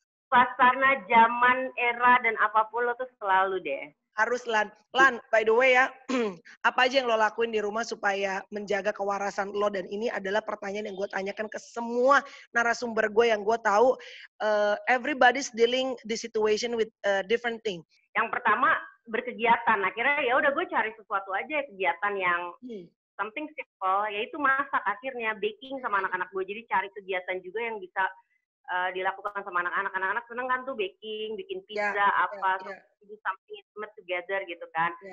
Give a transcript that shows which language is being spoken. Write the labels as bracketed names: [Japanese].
[Indonesian] Suasana zaman, era, dan apapun lo tuh selalu deh. Haruslah. Lan, [English] by the way [Indonesian] ya, apa aja yang lo lakuin di rumah supaya menjaga kewarasan lo? Dan ini adalah pertanyaan yang gue tanyakan ke semua narasumber gue yang gue tahu. [English] Everybody's dealing the situation with a different thing. [Indonesian] Yang pertama, berkegiatan. Akhirnya ya udah gue cari sesuatu aja, kegiatan yang [English] something simple, [Indonesian] yaitu masak akhirnya, baking sama anak-anak gue. Jadi cari kegiatan juga yang bisa dilakukan sama anak-anak. Anak-anak seneng kan tuh baking, bikin pizza, [English] do something intimate together [Indonesian] gitu kan.